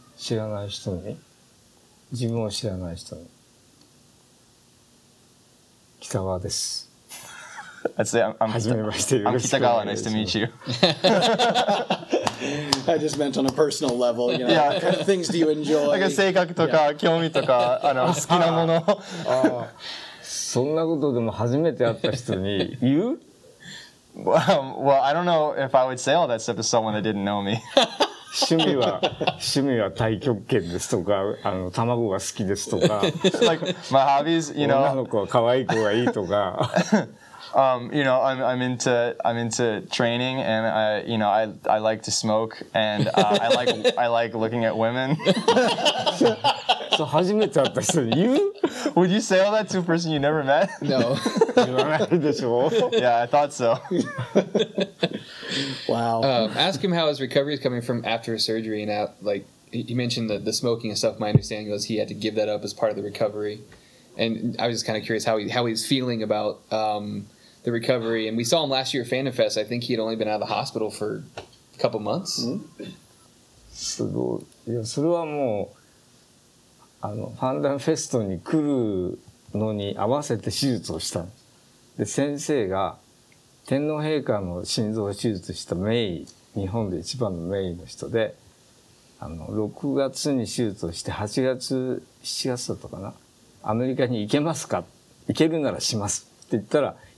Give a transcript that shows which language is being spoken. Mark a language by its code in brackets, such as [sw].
[ja] 知らない人に、自分を知らない人に。 Kitagawa です。 [en] I'd say I'm Kitagawa, nice to meet you. I just meant on a personal level, you know, yeah. What kind of things do you enjoy? [ja] Like 性格とか、yeah. 興味とか、あの好きなもの。あ、そんなことでも初めて会った人に言う？ [en] Well, I don't know if I would say all that stuff to someone that didn't know me. [ja] 趣味は太極拳ですとか、あの卵が好きですとか。 [en] Like, my hobbies, you know. [ja] 女の子は可愛い子がいいとか。 [en] You know, I'm into training, and I like to smoke, and I like looking at women. [ja] So, 初めて会った人に言う? [en] Would you say all that to a person you never met? No. [ja] 言わないでしょ? [en] Yeah, I thought so. Wow. Ask him how his recovery is coming from after his surgery, and out, like he mentioned the smoking and stuff. My understanding was he had to give that up as part of the recovery, and I was just kind of curious how he's feeling about. The recovery, and we saw him last year at Fan Fest. I think he had only been out of the hospital for a couple months. [ja] すごい。いや、それはもう、あの、ファンダンフェストに来るのに合わせて手術をしたで、先生が天皇陛下の心臓手術した名医、日本で一番の名医の人で、あの、6月に手術をして、8月、7月だったかな、アメリカに行けますか、行けるならしますって言ったら、